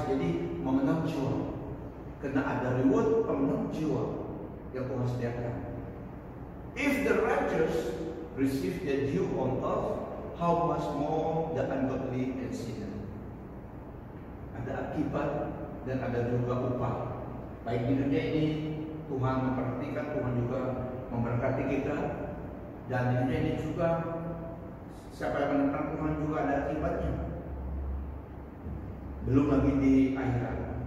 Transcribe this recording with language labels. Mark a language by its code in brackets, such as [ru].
[ms] Jadi memenang jiwa, kena ada reward pemenang jiwa yang Tuhan sediakan. [en] If the righteous receive their due on earth, how much more the ungodly and sinner. [ms] Ada akibat dan ada juga upah. Baik di dunia ini Tuhan memperhatikan, Tuhan juga memberkati kita. Dan di dunia ini juga siapa yang menentang Tuhan juga ada akibatnya, belum lagi di akhirat.